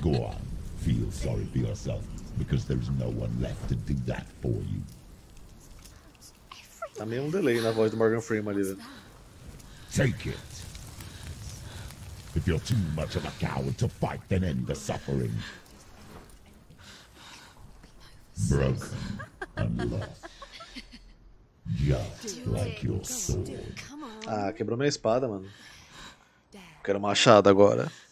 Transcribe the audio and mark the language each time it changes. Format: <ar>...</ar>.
<en>Go on, feel sorry for yourself, because there's no one left to do that for you.</en> <pt>Tá meio delay na voz do Morgan Freeman ali, velho.</pt> <en>Take it. If you're too much of a coward to fight, then end the suffering. Broken and lost. Just like your sword.</en> <pt>Ah, quebrou minha espada, mano. Quero machado agora.</pt>